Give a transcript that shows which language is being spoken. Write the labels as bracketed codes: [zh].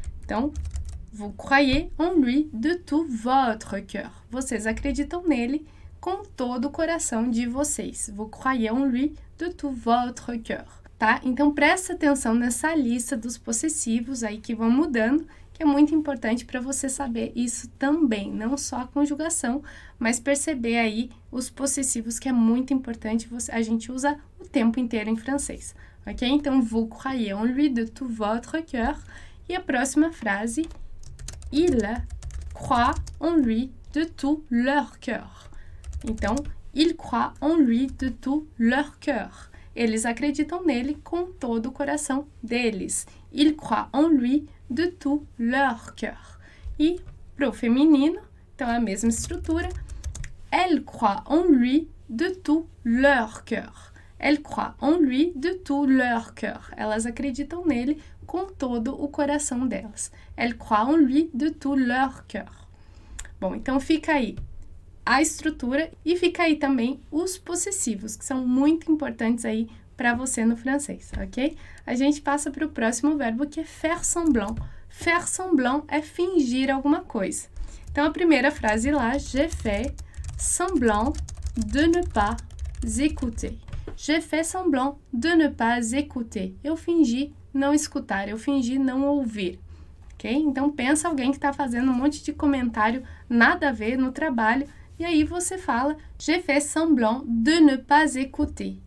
[pt] Então, [fr] vous croyez en lui de tout votre cœur. [pt] Vocês acreditam nele com todo o coração de vocês. [fr] Vous croyez en lui de tout votre cœur. [pt] Tá? Então, presta atenção nessa lista dos possessivos aí que vão mudando, que é muito importante para você saber isso também, não só a conjugação, mas perceber aí os possessivos, que é muito importante, a gente usa o tempo inteiro em francês. Ok? [fr] Então, vous croyez en lui de tout votre cœur. [pt] E a próxima frase, [fr] il croit en lui de tout leur cœur. Então, il croit en lui de tout leur cœur. [pt] Eles acreditam nele com todo o coração deles. [fr] Il croit en lui de tout leur cœur. [pt] E pro feminino, então é a mesma estrutura. [fr] Elle croit en lui de tout leur cœur. Elle croit en lui de tout leur cœur. [pt] Elas acreditam nele com todo o coração delas. [fr] Elle croit en lui de tout leur cœur. [pt] Bom, então fica aí a estrutura e fica aí também os possessivos, que são muito importantes aí para você no francês, ok? A gente passa para o próximo verbo, que é faire semblant. Faire semblant é fingir alguma coisa. Então, a primeira frase lá, [fr] j'ai fait semblant de ne pas écouter. J'ai fait semblant de ne pas écouter. [pt] Eu fingi não escutar, eu fingi não ouvir. ok? Então, pensa alguém que está fazendo um monte de comentário nada a ver no trabalho, e aí você fala: [fr] Je fais semblant de ne pas écouter.